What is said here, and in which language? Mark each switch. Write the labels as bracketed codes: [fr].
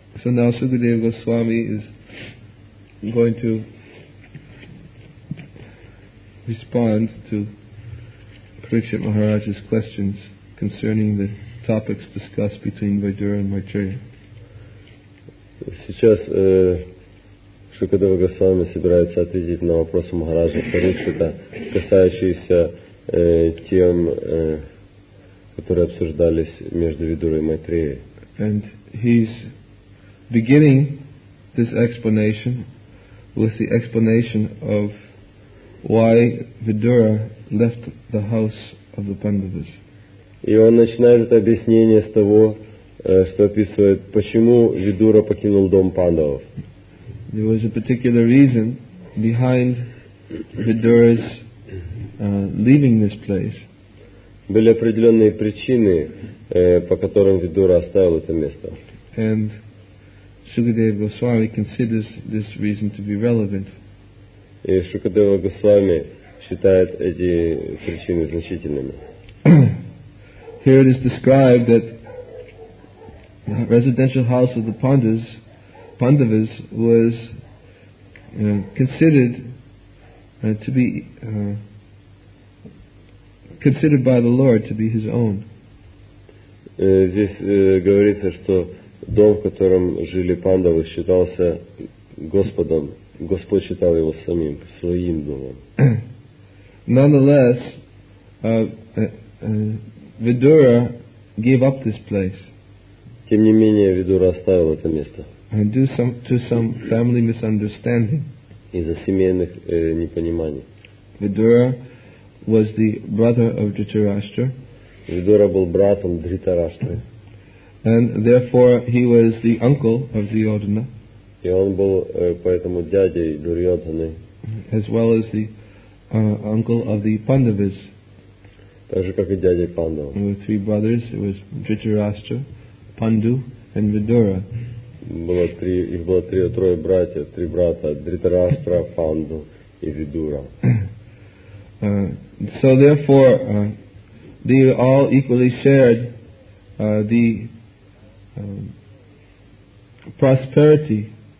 [en] So now Sukadeva Goswami is going to respond to Parikshit Maharaj's questions concerning the topics discussed between Vidura and Maitreya. [ru] Сейчас Sukadeva Goswami собирается ответить на вопросы Махараджа Парикшита, касающиеся тем, которые обсуждались между Видурой и Майтреей. [en] And he's beginning this explanation with the explanation of why Vidura left the house of the Pandavas. [ru] И он начинает это объяснение с того, что описывает, почему Видура покинул дом Пандавов. [en] There was a particular reason behind Vidura's leaving this place. [ru] Были определенные причины, по которым Видура оставил это место. [en] And Sukadeva Goswami considers this reason to be relevant. [ru] И Sukadeva Goswami считает эти причины значительными. [en] Here it is described that the residential house of the Pandavas was considered by the Lord to be his own. [ru] Здесь говорится, что дом, в котором жили Пандавы, считался Господом. Господь считал его самим, своим домом. [en] Nonetheless, Vidura gave up this place. [ru] Тем не менее, Видура оставил это место. [en] To some family misunderstanding. [ru] Из-за семейных непониманий. [en] Vidura was the brother of Dhritarashtra. [ru] Vidura был братом Дхритарашты. [en] And therefore he was the uncle of Duryodhana. [ru] И он был поэтому дядей Дурьодханы. [en] As well as the uncle of the Pandavas. [ru] Так же, как и дядя Пандава. [en] There were three brothers. It was Dhritarashtra, Pandu, and Vidura. [ru] Было трое братьев, три брата: Дхритараштра, Панду и Видура. [en] So therefore, they all equally shared the prosperity.